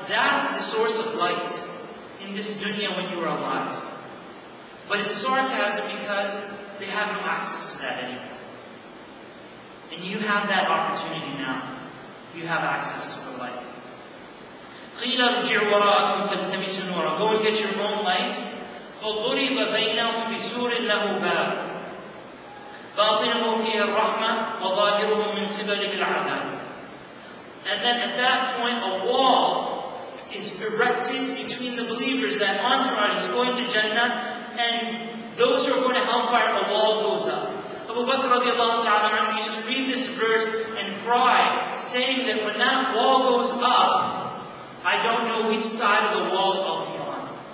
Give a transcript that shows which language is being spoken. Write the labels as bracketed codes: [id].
[en] That's the source of light in this dunya when you are alive. But it's sarcasm because they have no access to that anymore. And you have that opportunity now. You have access to the light. [ar] قِيلَ ارْجِعُوا وَرَاءَكُمْ فَالْتَمِسُوا نُورًا. [en] Go and get your own light. [ar] فَضُرِبَ بَيْنَهُمْ بِسُورٍ لَهُ بَابٌ بَاطِنُهُ فِيهَا الرَّحْمَةُ وَظَاهِرُهُ مِنْ قِبَلِهِ الْعَذَابُ. [en] And then at that point, a wall is erecting between the believers, that entourage is going to Jannah, and those who are going to hellfire, a wall goes up. Abu Bakr radiallahu ta'ala anhu used to read this verse and cry, saying that when that wall goes up, I don't know which side of the wall I'll be on.